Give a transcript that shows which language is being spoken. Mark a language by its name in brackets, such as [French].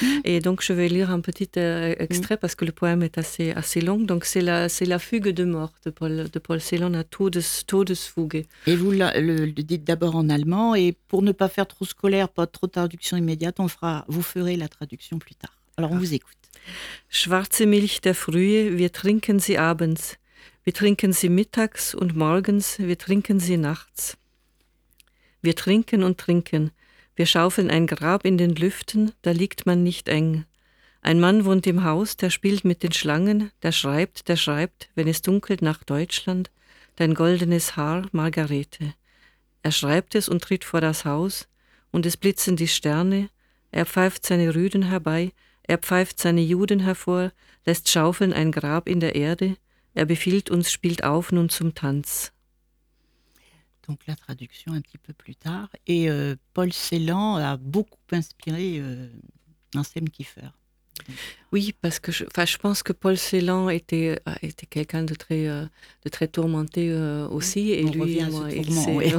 [French] Et donc, je vais lire un petit extrait parce que le poème est assez, assez long. Donc, c'est la fugue de mort de Paul Celan, à Todesfuge. Et vous le dites d'abord en allemand, et pour ne pas faire trop scolaire, pas trop de traduction immédiate, vous ferez la traduction plus tard. Alors, on vous écoute. [German] Schwarze Milch der Frühe, wir trinken sie abends. Wir trinken sie mittags und morgens, wir trinken sie nachts. Wir trinken und trinken, wir schaufeln ein Grab in den Lüften, da liegt man nicht eng. Ein Mann wohnt im Haus, der spielt mit den Schlangen, der schreibt, wenn es dunkelt nach Deutschland, dein goldenes Haar, Margarete. Er schreibt es und tritt vor das Haus, und es blitzen die Sterne, er pfeift seine Rüden herbei, er pfeift seine Juden hervor, lässt schaufeln ein Grab in der Erde, er befiehlt uns, spielt auf nun zum Tanz. [French] Donc la traduction un petit peu plus tard. Et Paul Celan a beaucoup inspiré Anselm Kiefer. Oui, parce que je pense que Paul Celan était quelqu'un de très tourmenté aussi. Et on lui, revient à ce tourment,